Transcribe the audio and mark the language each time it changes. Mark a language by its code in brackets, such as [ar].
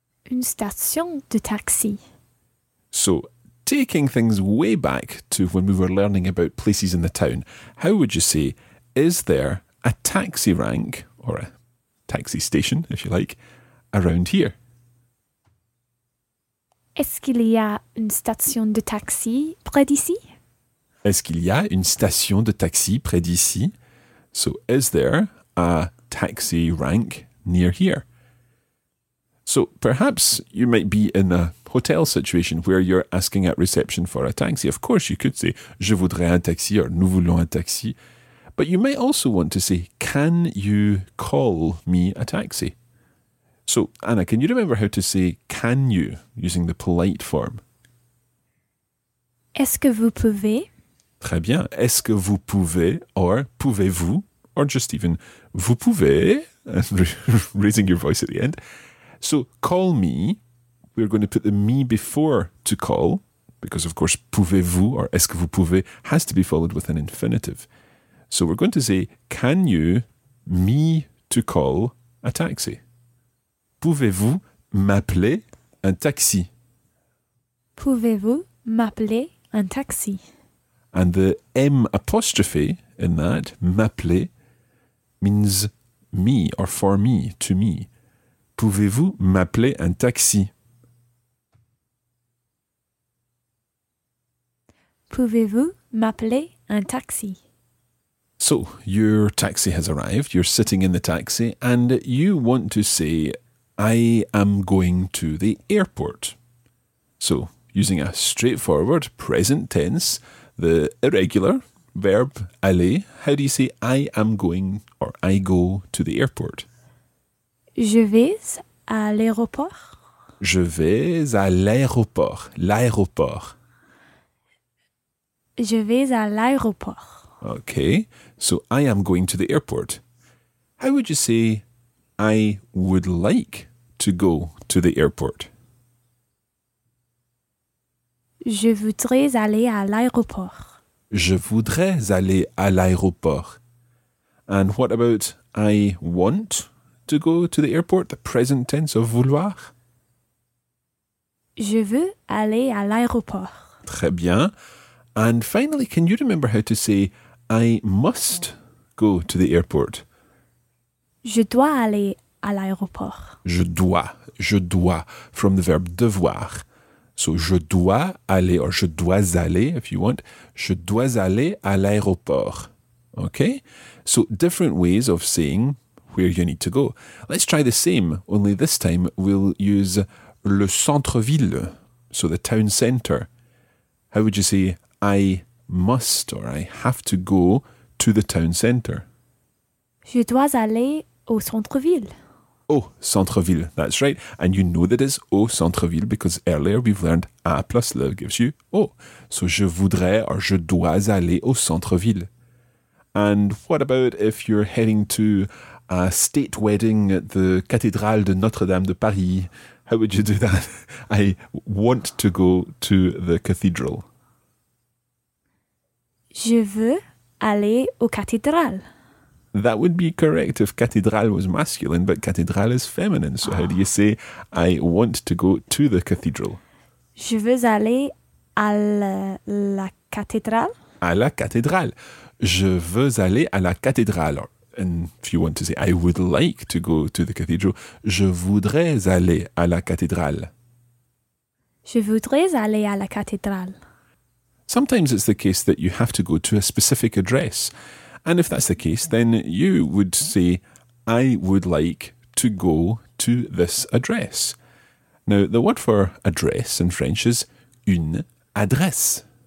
[fr] Une station de taxi. [en] So, taking things way back to when we were learning about places in the town, how would you say, is there a taxi rank, or a taxi station, if you like, around here? [fr] Est-ce qu'il y a une station de taxi près d'ici? Est-ce qu'il y a une station de taxi près d'ici? [en] So, is there a taxi rank near here? So, perhaps you might be in a hotel situation where you're asking at reception for a taxi. Of course, you could say, [fr] je voudrais un taxi [en] or [fr] nous voulons un taxi. [en] But you might also want to say, can you call me a taxi? So, Anna, can you remember how to say can you, using the polite form? [fr] Est-ce que vous pouvez? Très bien. Est-ce que vous pouvez, [en] or [fr] pouvez-vous, [en] or just even [fr] vous pouvez, [en] raising your voice at the end. So, call me, we're going to put the me before to call, because of course [fr] pouvez-vous [en] or [fr] est-ce que vous pouvez [en] has to be followed with an infinitive. So we're going to say, can you me to call a taxi? [fr] Pouvez-vous m'appeler un taxi? Pouvez-vous m'appeler un taxi? [en] And the M apostrophe in that, m'appeler, means me or for me, to me. [fr] Pouvez-vous m'appeler un taxi? Pouvez-vous m'appeler un taxi? [en] So, your taxi has arrived, you're sitting in the taxi, and you want to say, I am going to the airport. So, using a straightforward present tense, the irregular verb aller, how do you say I am going or I go to the airport? [fr] Je vais à l'aéroport. Je vais à l'aéroport. L'aéroport. Je vais à l'aéroport. [en] Okay, so I am going to the airport. How would you say I would like to go to the airport? [fr] Je voudrais aller à l'aéroport. Je voudrais aller à l'aéroport. [en] And what about I want to go to the airport, the present tense of vouloir? [fr] Je veux aller à l'aéroport. Très bien. [en] And finally, can you remember how to say I must go to the airport? [fr] Je dois aller à l'aéroport. Je dois, [en] from the verb devoir. So, [fr] je dois aller, [en] or [fr] je dois aller, [en] if you want. [fr] Je dois aller à l'aéroport. [en] Okay? So, different ways of saying where you need to go. Let's try the same, only this time we'll use le centre-ville, so the town centre. How would you say, I must or I have to go to the town centre? [fr] Je dois aller au centre-ville. Au centre-ville, [en] that's right. And you know that it's au centre-ville because earlier we've learned A plus le gives you O. So [fr] je voudrais [en] or [fr] je dois aller au centre-ville. [en] And what about if you're heading to a state wedding at the Cathédrale de Notre-Dame de Paris? How would you do that? I want to go to the cathedral. [fr] Je veux aller au cathédrale. [en] That would be correct if cathédrale was masculine, but cathédrale is feminine. So how do you say, I want to go to the cathedral? [fr] Je veux aller à la cathédrale. À la cathédrale. Je veux aller à la cathédrale. [en] And if you want to say, I would like to go to the cathedral, [fr] je voudrais aller à la cathédrale. Je voudrais aller à la cathédrale. [en] Sometimes it's the case that you have to go to a specific address. And if that's the case, then you would say, I would like to go to this address. Now, the word for address in French is une adresse.